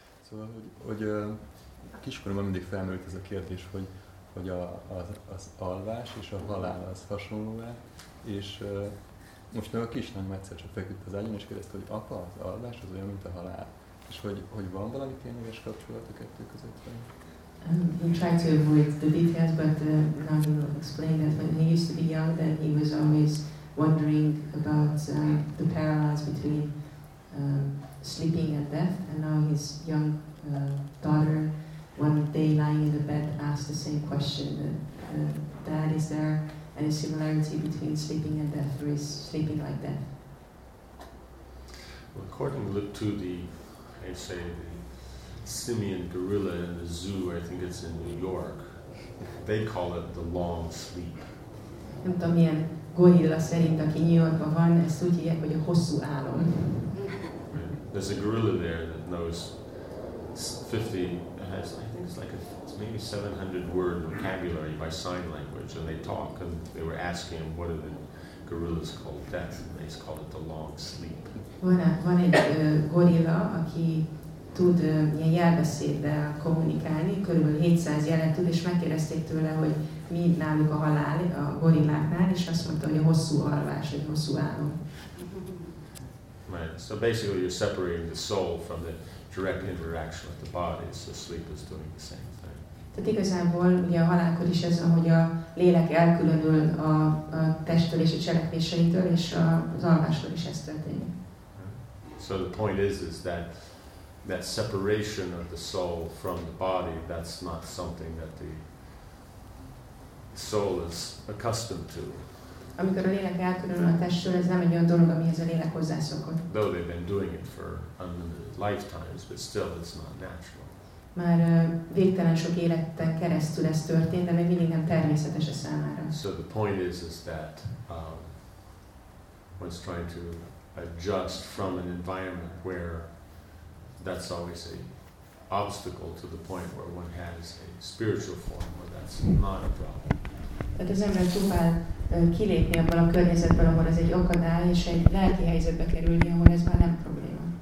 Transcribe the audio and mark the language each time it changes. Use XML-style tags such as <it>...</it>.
<hu>Szóval, hogy kiskoromban mindig felmerült ez a kérdés, hogy az alvás és a halál az hasonló-e, és most meg a kisnagyom egyszer csak feküdt az ágyon, és kérdezte, hogy apa, az alvás az olyan, mint a halál. És hogy van valami tényleges kapcsolat a kettő között?</hu> <en>He tried to avoid the details, but now he will explain that when he used to be young, then he was always wondering about the parallels between sleeping and death, and now his young daughter, one day lying in the bed, asked the same question: "Dad, is there any similarity between sleeping and death, or is sleeping like death?" Well, according to the simian gorilla in the zoo, I think it's in New York, they call it the long sleep.</en> <hu>Nem tudom, milyen gorilla szerint, aki New Yorkban van, ezt úgy hívják, hogy a hosszú álom.</hu> <en>There's a gorilla there that knows 50, has, I think it's like it's maybe 700 word vocabulary by sign language, and they talk, and they were asking him what are the gorillas called death, and they call it the long sleep.</en> <hu>Van egy gorilla, aki tud ilyen jelbeszéddel kommunikálni, körülbelül 700 jelet tud, és megkérdezték tőle, hogy mi náluk a halál a gorilláknál, és azt mondta, hogy a hosszú alvás, egy hosszú álom.</hu> <en>Right. So basically you're separating the soul from the direct interaction with the body, so sleep is doing the same thing.</en> <hu>Tehát igazából ugye a halálkor is ez, hogy a lélek elkülönül a testtől és a cselekvéseitől, és az alvásról is ez történik.</hu> <en>So the point is that that separation of the soul from the body, that's not something that the soul is accustomed to.</en> <hu>Amikor a lélek elkülönül a testtől, ez nem egy olyan dolog, amihez a lélek hozzászokott.</hu> <en>Though they've been doing it for unlimited lifetimes, but still it's not natural.</en> <hu>Már végtelen sok élettel keresztül ez történt, de még mindig nem természetes a számára.</hu> <en>So the point is that one's trying to adjust from an environment where that's always a obstacle to the point where one has a spiritual form where that's not a problem.</en> <hu>Tehát az ember próbál kilépni abban a környezetben, ahol ez egy akadály, és egy lelki helyzetbe kerülni, ahol ez már nem probléma.</hu>